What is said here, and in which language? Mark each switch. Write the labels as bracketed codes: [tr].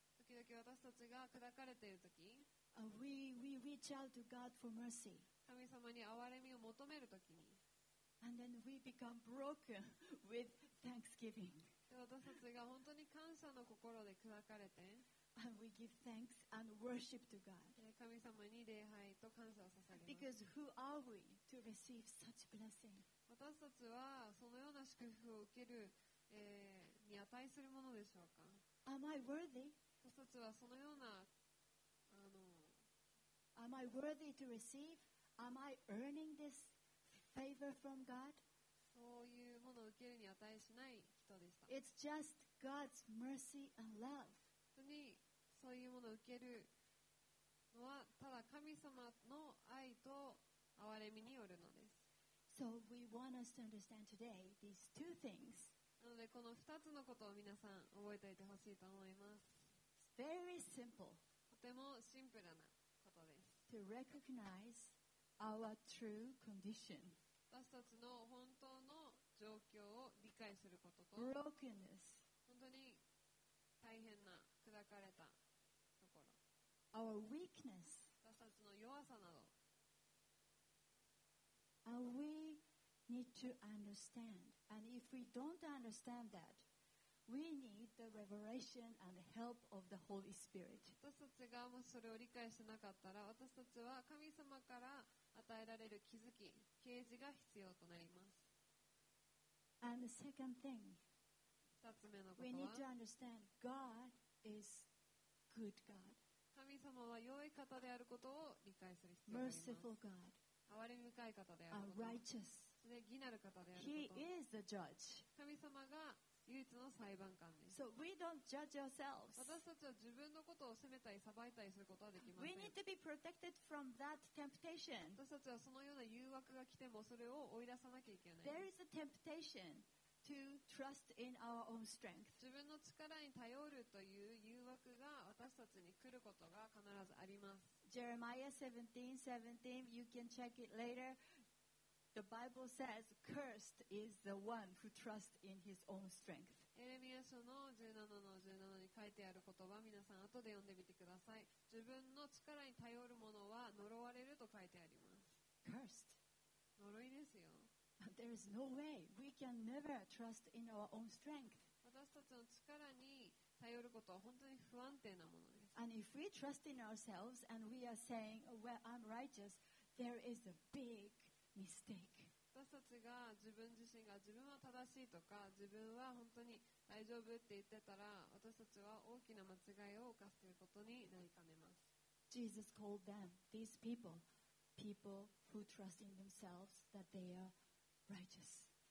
[ja] 時々私たちが砕かれているとき、 [en] We reach out to God for mercy. [ja] 神様に憐れみを求めるときに、 [en] and then we become broken with thanksgiving. [ja] 私たちが本当に感謝の心で砕かれて、 [en] and we give thanks and worship to God. [ja] 神様に礼拝と感謝を捧げます。 [en] Because who are we to receive such blessing? [ja] 私たちはそのような祝福を受ける、に値するものでしょうか。 [en] Am I worthy? [ja] 私たちはそのような [en] Am I worthy to receive? Am I earning this favor from God? [ja] そういうものを受けるに値しない人でした。 [en] It's just God's mercy and love. [ja] 本当にそういうものを受けるのはただ神様の愛と憐れみによるのです。 [en] So we want us to understand today these two things. [ja] なのでこの2つのことを皆さん覚えておいてほしいと思います。 [en] It's very simple. [ja] とてもシンプルなことです。 [en] To recognize our true condition. [ja] 私たちの本当の状況を理解することと、 [en] Brokenness. [ja] 本当に大変な砕かれたところ。 [en] Our weakness. [ja] 私たちの弱さなど。 [en] And we need to understand. And if we don't understand that,We need the revelation and the help of the Holy Spirit. [ja] 私たちがもしそれを理解してなかったら、私たちは神様から与えられる気づき、啓示が必要となります。 [en] And the second thing, [ja] 二つ目のことは、 [en] We need to understand God is good God. [ja] 神様は良い方であることを理解する必要があります。 [en] Merciful God. [ja] 憐れみ深い方であること。 [en] A righteous. [ja] で、義なる方であること。 [en] He is the judge. [ja] 神様が唯一の裁判官です。 [en] So we don't judge ourselves. [ja] 私たちは自分のことを責めたり裁いたりすることはできません。 [en] We need to be protected from that temptation. [ja] 私たちはそのような誘惑が来てもそれを追い出さなきゃいけない。 [en] There is a temptation to trust in our own strength. [ja] 自分の力に頼るという誘惑が私たちに来ることが必ずあります。 [en] Jeremiah 17:17, you can check it later. The Bible says, cursed is the one who trusts in his own strength. [ja] エレミア書の17-17に書いてある言葉、皆さん後で読んでみてください。自分の力に頼るものは呪われると書いてあります。 [en] Cursed. [ja] 呪いですよ。 [en] There is no way. We can never trust in our own strength. [ja] 私たちの力に頼ることは本当に不安定なものです。 [en] And if we trust in ourselves and we are saying, well, I'm righteous, there is a big mistake. [ja] 私たちが自分自身が自分は正しいとか自分は本当に大丈夫って言ってたら、私たちは大きな間違いを犯すということになりかねます。 [en] Jesus called them, these people, people who trust in themselves that they are righteous.